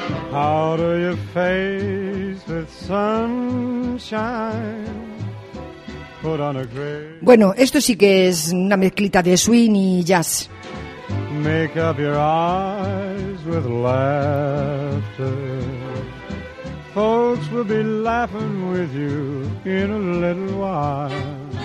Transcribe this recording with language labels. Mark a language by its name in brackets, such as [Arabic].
[English] Powder your face with sunshine. Put on a gray. [Spanish] Bueno, esto sí que es una mezclita de swing y jazz. [English] Make up your eyes with laughter. Folks will be laughing with you in a little while.